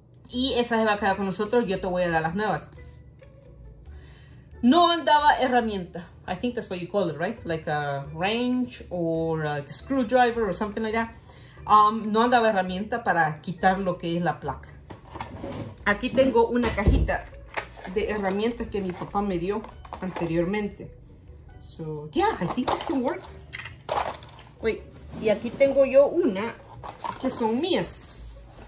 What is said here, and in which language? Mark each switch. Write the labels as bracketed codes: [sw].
[es] Y esa se va a quedar con nosotros, yo te voy a dar las nuevas. No andaba herramienta. [en] I think that's what you call it, right? Like a wrench or a screwdriver or something like that. [es] No andaba herramienta para quitar lo que es la placa. Aquí tengo una cajita de herramientas que mi papá me dio anteriormente. [en] So, yeah, I think this can work. Wait, [es] y aquí tengo yo una que son mías.